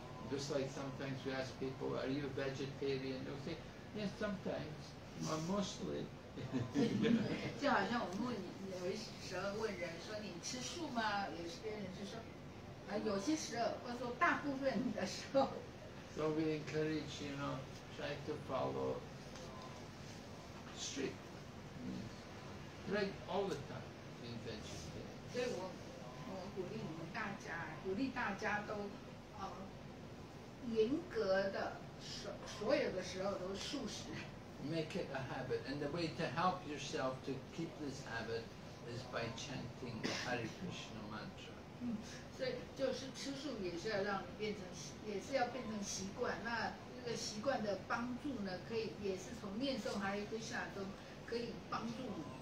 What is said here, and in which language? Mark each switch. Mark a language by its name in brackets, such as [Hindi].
[English] Just like sometimes we ask people, are you a vegetarian? They'll say, yes, sometimes, or mostly. [Chinese] 就好像我们问你，有时候问人说你吃素吗？有些人就说，有些时候，或者说大部分的时候。 [English] So we encourage, you know, try to follow strict means. Right, all the time, being vegetarian. [Chinese] 所以我鼓励大家都，严格的所有的时候都素食。 [English] make it a habit. And the way to help yourself to keep this habit is by chanting the Hare Krishna mantra. [Chinese] 所以就是吃素也是要让变成习惯，那这个习惯的帮助呢，可以也是从念诵Hare Krishna中可以帮助你。